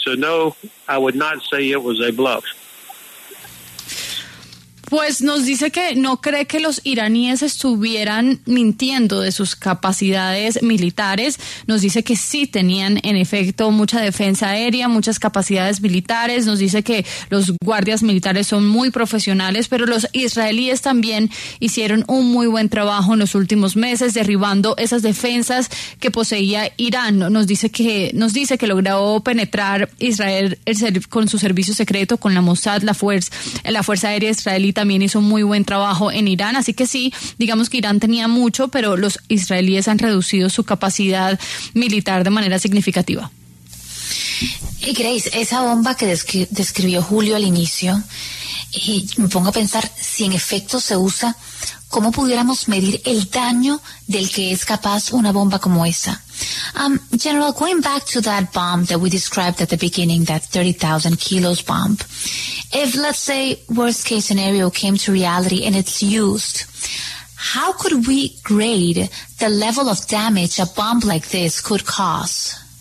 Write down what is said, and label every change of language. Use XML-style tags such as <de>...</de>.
<en>So no, I would not say it was a bluff.</en> <es>Pues nos dice que no cree que los iraníes estuvieran mintiendo de sus capacidades militares. Nos dice que sí tenían, en efecto, mucha defensa aérea, muchas capacidades militares. Nos dice que los guardias militares son muy profesionales, pero los israelíes también hicieron un muy buen trabajo en los últimos meses derribando esas defensas que poseía Irán. Nos dice que logró penetrar Israel con su servicio secreto, con la Mossad, la fuerza aérea israelí. Y también hizo muy buen trabajo en Irán, así que sí, digamos que Irán tenía mucho, pero los israelíes han reducido su capacidad militar de manera significativa. Y Grace, esa bomba que describió Julio al inicio, y me pongo a pensar, si en efecto se usa, ¿cómo pudiéramos medir el daño del que es capaz una bomba como esa?</es> <en>General, going back to that bomb that we described at the beginning, that 30,000 kilos bomb, if, let's say, worst case scenario came to reality and it's used, how could we grade the level of damage a bomb like this could cause?</en>